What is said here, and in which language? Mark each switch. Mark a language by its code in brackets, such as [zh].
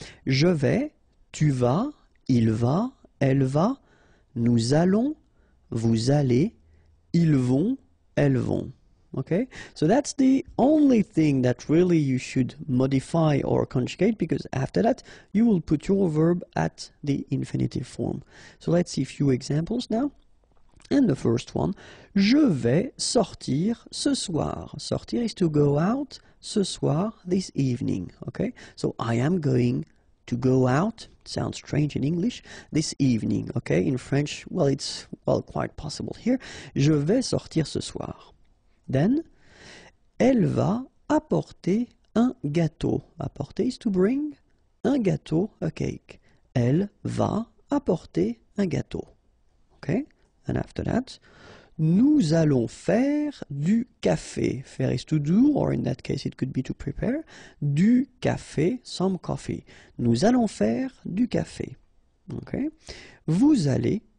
[fr] Je vais, tu vas, il va, elle va, nous allons, vous allez, ils vont, elles vont. [en] Okay, so that's the only thing that really you should modify or conjugate because after that you will put your verb at the infinitive form. So let's see a few examples now. And the first one, [fr] je vais sortir ce soir. [en] Sortir is to go out. [fr] Ce soir, [en] this evening. Okay, so I am going to go out. Sounds strange in English. This evening. Okay, in French, well, it's well quite possible here. [fr] Je vais sortir ce soir. [en] Then, [fr] elle va apporter un gâteau. [en] Apporter is to bring [fr] un gâteau, [en] a cake. [fr] Elle va apporter un gâteau. [en] Okay, and after that. [fr] Nous allons faire du café. [en] Faire is to do, or in that case, it could be to prepare. [fr] Du café, [en] some coffee. [fr] Nous allons faire du café. Okay. Vous allez